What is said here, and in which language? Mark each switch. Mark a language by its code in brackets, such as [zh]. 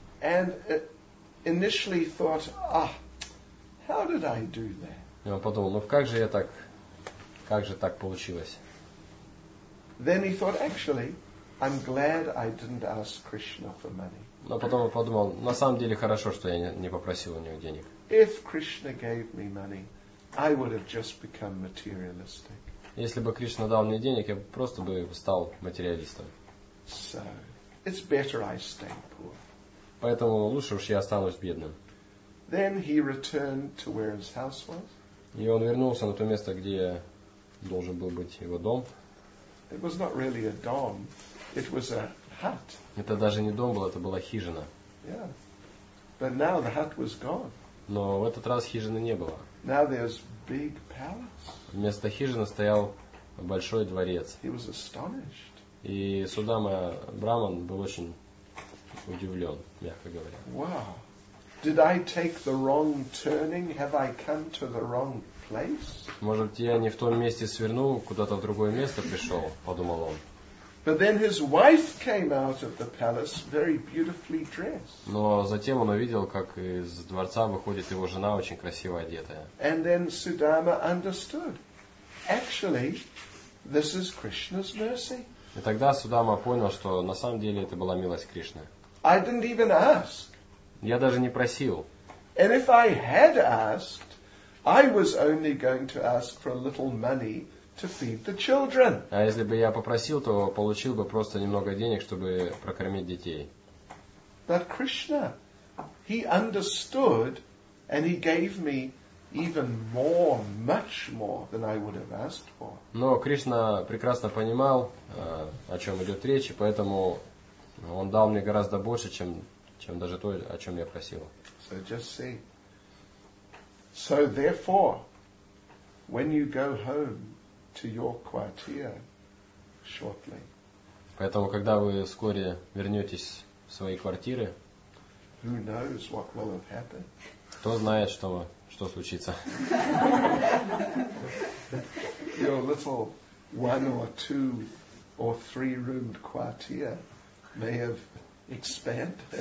[en] And initially thought, ah, how did I do that? [ru] И он подумал, как же так получилось? [en] Then he thought, actually, I'm glad I didn't ask Krishna for money. [ru] Но потом он подумал, на самом деле хорошо, что я не попросил у него денег. [en] If Krishna gave me money, I would have just become materialistic. [ru] Если бы Кришна дал мне денег, я просто бы стал материалистом. [en] So, it's better I stay poor. [ru] Поэтому лучше уж я останусь бедным. [en] Then he returned to where his house was. [ru] И он вернулся на то место, где должен был быть его дом. [en] It was not really a dom, it was a hut. [ru] Это даже не дом был, это была хижина. [en] Yeah. But now the hut was gone. [ru] Но в этот раз хижины не было. [en] Now there's big palace. [ru] Вместо хижины стоял большой дворец. [en] He was astonished. [ru] И Судама Браман был очень удивлен, мягко говоря. [en] Wow. Did I take the wrong turning? Have I come to the wrong place? [ru] Может, я не в том месте свернул, куда-то в другое место пришел, подумал он. [en] But then his wife came out of the palace very beautifully dressed. [ru] Но затем он увидел, как из дворца выходит его жена, очень красиво одетая. [en] And then Sudama understood. Actually, this is Krishna's mercy. [ru] И тогда Судама понял, что на самом деле это была милость Кришны. [en] I didn't even ask. [ru] Я даже не просил. [en] And if I had asked, I was only going to ask for a little money to feed the children. [ru] А если бы я попросил, то получил бы просто немного денег, чтобы прокормить детей. [en] But Krishna, he understood, and he gave me even more, much more than I would have asked for. [ru] Но Кришна прекрасно понимал, о чем идет речь, и поэтому он дал мне гораздо больше, чем даже то, о чем я просил. [en] So just see. So therefore, when you go home to your quartier shortly. [ru] Поэтому, когда вы вскоре вернетесь в свои квартиры, [en] who knows what will have happened? [ru] Кто знает, что случится? [en] Your little one or two or three roomed quartier may have expand.